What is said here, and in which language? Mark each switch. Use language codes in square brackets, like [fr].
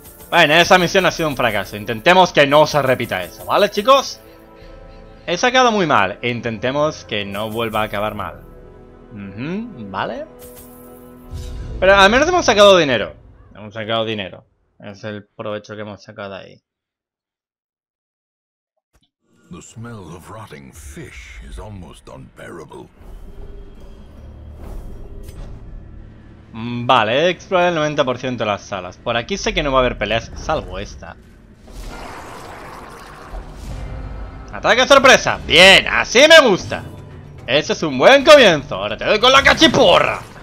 [es] Bueno, esa misión ha sido un fracaso. Intentemos que no se repita eso, ¿vale, chicos? He sacado muy mal. Intentemos que no vuelva a acabar mal. ¿Vale? Pero al menos hemos sacado dinero. Hemos sacado dinero. Es el provecho que hemos sacado ahí. [en] The smell of rotting fish is almost unbearable. [es] Vale, he explorado el 90% de las salas. Por aquí sé que no va a haber peleas, salvo esta. ¡Ataque sorpresa! ¡Bien! ¡Así me gusta! ¡Ese es un buen comienzo! ¡Ahora te doy con la cachiporra!